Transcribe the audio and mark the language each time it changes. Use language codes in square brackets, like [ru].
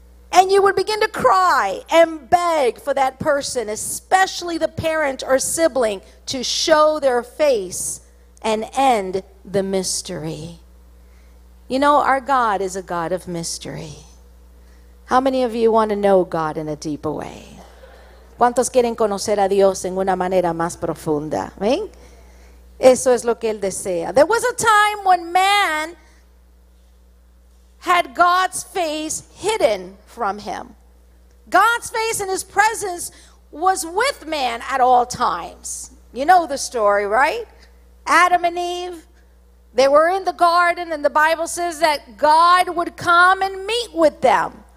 [en] And you would begin to cry and beg for that person, especially the parent or sibling, to show their face and end the mystery. You know, our God is a God of mystery. How many of you want to know God in a deeper way? [es] ¿Cuántos quieren conocer a Dios en una manera más profunda? Eso es lo que él desea. [en] There was a time when man had God's face hidden from him. God's face and his presence was with man at all times. You know the story, right? Adam and Eve, they were in the garden, and the Bible says that God would come and meet with them.